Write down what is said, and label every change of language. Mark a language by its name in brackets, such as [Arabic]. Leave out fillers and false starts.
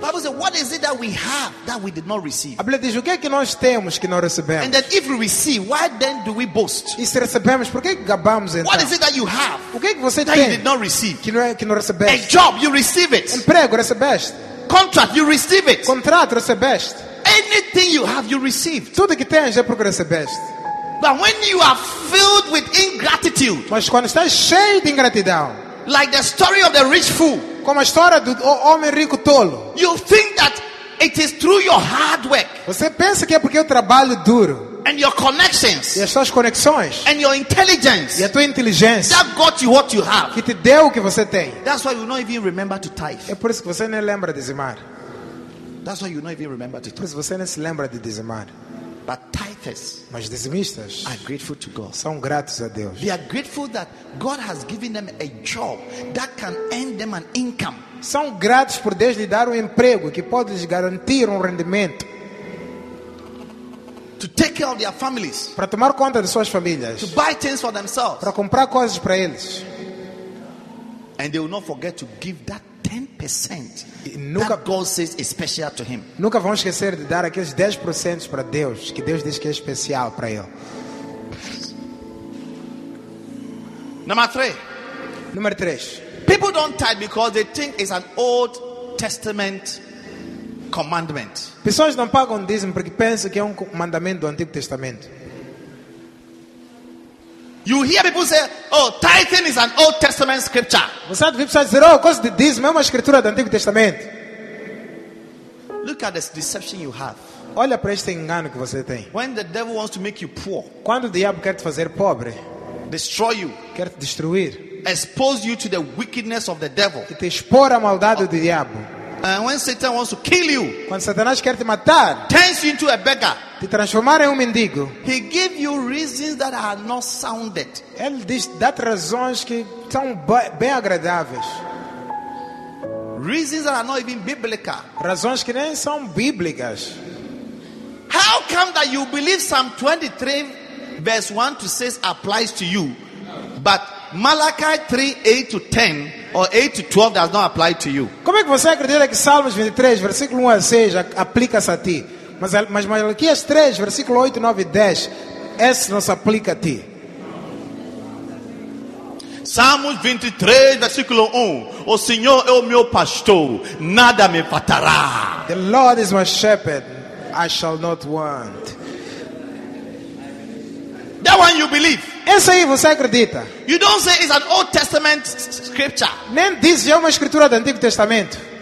[English] Bible says, what is it that we have that we did not receive? [Portuguese] A Bíblia diz, o que é que nós temos que não recebemos? [English] And that if we receive, why then do we boast? [Portuguese] E se recebemos, por que gabamos então? [English] What is it that you have? [Portuguese] O que é que você [English] that [Portuguese] tem? [English] You did not receive. [Portuguese] Que não recebeste. [English] A job, you receive it. [Portuguese] Emprego, recebeste. [English] Contract, you receive it. [Portuguese] Contrato, recebeste. [English] Anything you have, you receive. [Portuguese] Tudo que tens é porque recebeste. [English] But when you are filled with ingratitude. [Portuguese] Mas quando estás cheio de ingratidão. [English] Like the story of the rich fool. [Portuguese] Como a história do homem rico tolo. [English] You think that it is through your hard work. [Portuguese] Você pensa que é porque eu trabalho duro. [English] And your connections. [Portuguese] E as suas conexões. [English] And your intelligence. [Portuguese] E a tua inteligência. [English] That got you what you have. [Portuguese] Que te deu o que você tem. [English] That's why you don't even remember to tithe. [Portuguese] É por isso que você nem lembra de dizimar. [English] That's why you don't even remember to tithe. [Portuguese] Por isso você nem se lembra de dizimar. [English] But tithers, [Portuguese] mas dizimistas, [English] are grateful to God. [Portuguese] São gratos a Deus. [English] They are grateful that God has given them a job that can earn them an income. [Portuguese] São gratos por Deus lhe dar emprego que pode lhes garantir rendimento. [English] to take care of their families, [Portuguese] para tomar conta de suas famílias, [English] to buy things for themselves, [Portuguese] para comprar coisas para eles. [English] And they will not forget to give that 10% that God says is special to him. [Portuguese] Nunca vão esquecer de dar aqueles 10% para Deus, que Deus diz que é especial para ele. Número 3. [English] People don't tithe because they think it's an Old Testament commandment. [Portuguese] Pessoas não pagam dízimo porque pensam que é mandamento do Antigo Testamento. [English] You hear people say, "Oh, tithing is an Old Testament scripture." [Portuguese] Você ouve pessoas dizer, "Oh, coisa de dízimo é uma escritura do Antigo Testamento." [English] Look at the deception you have. [Portuguese] Olha para este engano que você tem. [English] When the devil wants to make you poor. [Portuguese] Quando o diabo quer te fazer pobre. [English] Destroy you. [Portuguese] Quer te destruir. [English] Expose you to the wickedness of the devil. [Portuguese] E te expor à maldade do diabo. [English] And when Satan wants to kill you, [Portuguese] quando Satanás quer te matar, [English] turns you into a beggar, [Portuguese] te transformar em mendigo. [English] He gives you reasons that are not sounded. [Portuguese] Ele diz, dá-te razões que são bem agradáveis. [English] Reasons that are not even biblical. [Portuguese] Razões que nem são bíblicas. [English] How come that you believe Psalm 23 verse 1 to 6 applies to you, but Malachi 3, 8 to 10 or 8 to 12 does not apply to you? [Portuguese] Como é que você acredita que Salmos 23, versículo 1 a 6 aplica-se a ti? Mas Malaquias 3, versículo 8, 9 e 10, esse não se aplica a ti. Salmos 23, versículo 1. O Senhor é o meu pastor, nada me faltará. [English] The Lord is my shepherd, I shall not want. That one you believe. [Portuguese] Esse aí você acredita. [English] You don't say it's an Old Testament scripture. [Portuguese] Nem diz que é uma escritura do Antigo Testamento.